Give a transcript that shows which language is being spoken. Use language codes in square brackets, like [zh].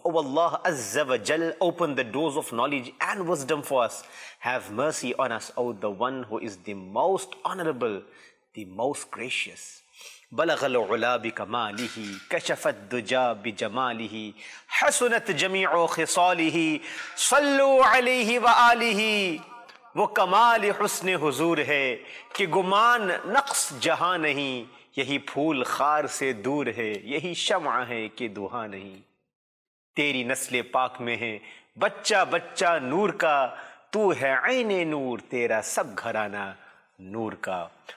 [ar] او اللہ عز و جل, [en] open the doors of knowledge and wisdom for us. Have mercy on us, O the one who is the most honorable, the most gracious. [ar] بلغ العلا بكماله كشف الدجا بجماله حسنت جميع خصاله صلوا عليه وآله. [ur] وہ کمال حسن حضور ہے کہ گمان نقص جہاں نہیں, یہی پھول خار سے دور ہے یہی شمع ہے کہ دہا نہیں. تیری نسل پاک میں ہے بچہ بچہ نور کا, تو ہے عین نور تیرا سب گھرانہ نور کا.